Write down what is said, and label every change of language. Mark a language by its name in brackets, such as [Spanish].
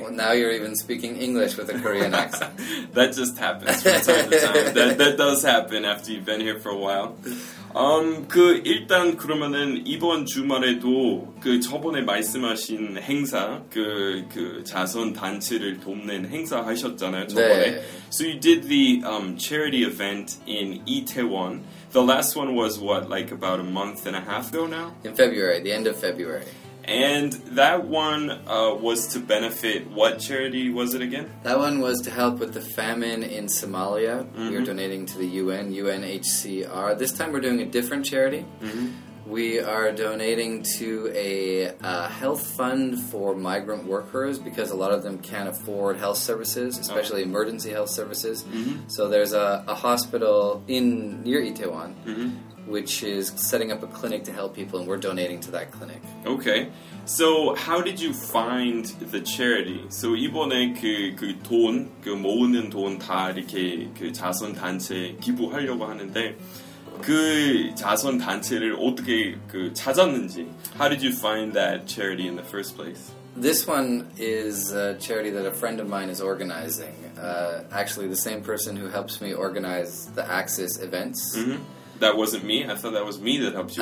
[English] Well, now you're even speaking English with a Korean accent. That just happens from time to time. That does happen after you've been here for a while. [Korean] 그 일단 그러면은 이번 주말에도 그 저번에 말씀하신 행사 그 자선 단체를 돕는 행사 하셨잖아요 저번에. 네. [English] So you did the charity event in Itaewon. The last one was what, like about a month and a half ago now? In February, the end of February. And that one was to benefit what charity was it again? That one was to help with the famine in Somalia. Mm-hmm. We are donating to the UN, UNHCR. This time we're doing a different charity. Mm-hmm. We are donating to a health fund for migrant workers because a lot of them can't afford health services, especially emergency health services. Mm-hmm. So there's a hospital near Itaewon. Mm-hmm. Which is setting up a clinic to help people, and we're donating to that clinic. Okay. So, how did you find the charity? [Korean] So, 이번에 그 돈, 그 모으는 돈 다 이렇게 그 자선단체 기부하려고 하는데, 그 자선단체를 어떻게 그 찾았는지? [English] How did you find that charity in the first place? This one is a charity that a friend of mine is organizing. Actually, the same person who helps me organize the Axis events. Mm-hmm. That wasn't me. I thought that was me that helped you.